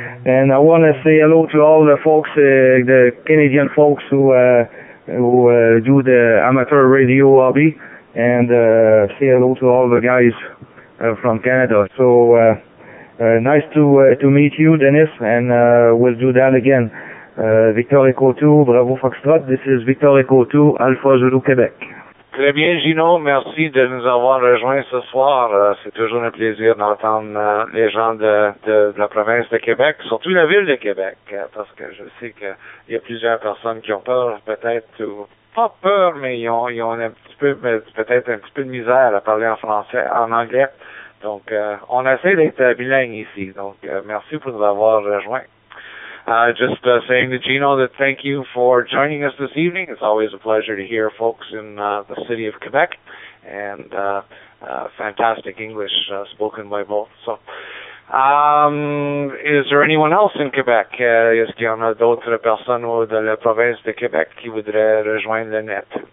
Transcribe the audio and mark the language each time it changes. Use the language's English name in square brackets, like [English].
[English] And I want to say hello to all the folks, the Canadian folks who do the amateur radio hobby, and say hello to all the guys from Canada. So nice to meet you, Denis, and we'll do that again. Victor Echo 2, Bravo Foxtrot, this is Victor Echo 2, Alpha Zulu Québec. [French] Très bien, Gino, merci de nous avoir rejoints ce soir. C'est toujours un plaisir d'entendre les gens de la province de Québec, surtout la ville de Québec, parce que je sais qu'il y a plusieurs personnes qui ont peur, peut-être, ou pas peur, mais ils ont un petit peu, peut-être un petit peu de misère à parler en français, en anglais. Donc, on essaie d'être bilingue ici. Donc, merci pour nous avoir rejoints. [English] Just saying to Gino that thank you for joining us this evening. It's always a pleasure to hear folks in the city of Quebec, and fantastic English spoken by both. So, is there anyone else in Quebec? [French] Est-ce qu'il y en a d'autres personnes de la province de Québec qui voudraient rejoindre le net?